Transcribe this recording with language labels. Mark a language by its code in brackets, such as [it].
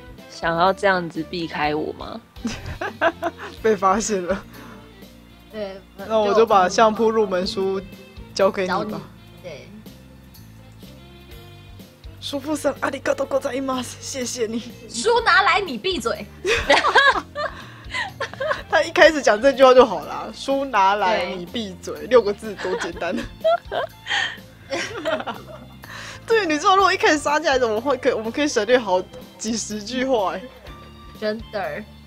[zh] 想要这样子避开我吗？被发现了。对，那我就把相扑入门书交给你吧。 [ja] 叔父さん、ありがとうございます。 [zh] 谢谢你。书拿来，你闭嘴。他一开始讲这句话就好了。书拿来，你闭嘴，六个字多简单。对，你知道如果一开始杀进来，怎么会可以？我们可以省略好几十句话、欸。真的。